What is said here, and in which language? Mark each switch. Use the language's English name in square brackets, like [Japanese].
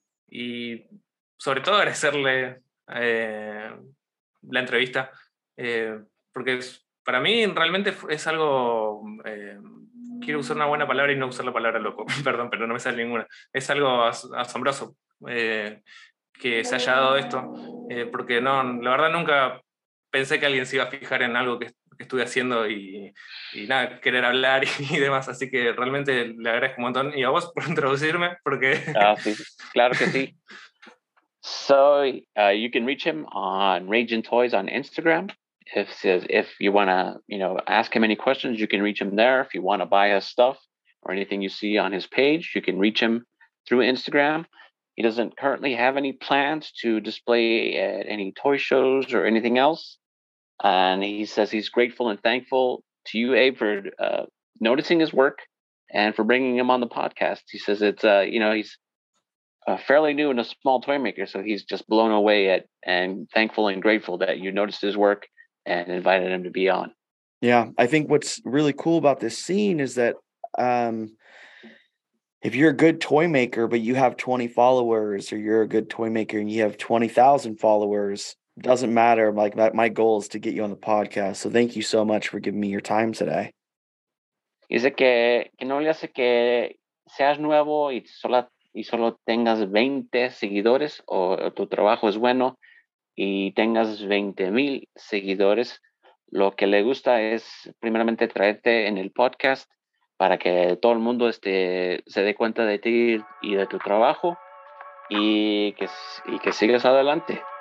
[Spanish] Y sobre todo agradecerle la entrevista, porque para mí realmente es algo, quiero usar una buena palabra y no usar la palabra loco, perdón, pero no me sale ninguna, es algo asombroso que se haya dado esto, porque no, la verdad nunca pensé que alguien se iba a fijar en algo que estuve haciendo y nada, querer hablar y demás, así que realmente le agradezco un montón y a vos por introducirme, porque sí. Claro que sí. [English] So you can reach him on RAIJIN Toys on Instagram. If you want to, you know, ask him any questions, you can reach him there. If you want to buy his stuff or anything you see on his page, you can reach him through Instagram. He doesn't currently have any plans to display at any toy shows or anything else. And he says he's grateful and thankful to you, Abe, for noticing his work and for bringing him on the podcast. He says it's, he's fairly new and a small toy maker, so he's just blown away and thankful and grateful that you noticed his work and invited him to be on. Yeah, I think what's really cool about this scene is that if you're a good toy maker but you have 20 followers, or you're a good toy maker and you have 20,000 followers, doesn't matter. Like, my goal is to get you on the podcast, so thank you so much for giving me your time today. [Spanish] Dice que no le hace que seas nuevo y solo tengas 20 seguidores o tu trabajo es bueno y tengas 20,000 seguidores, lo que le gusta es primeramente traerte en el podcast para que todo el mundo se dé cuenta de ti y de tu trabajo y que sigas adelante.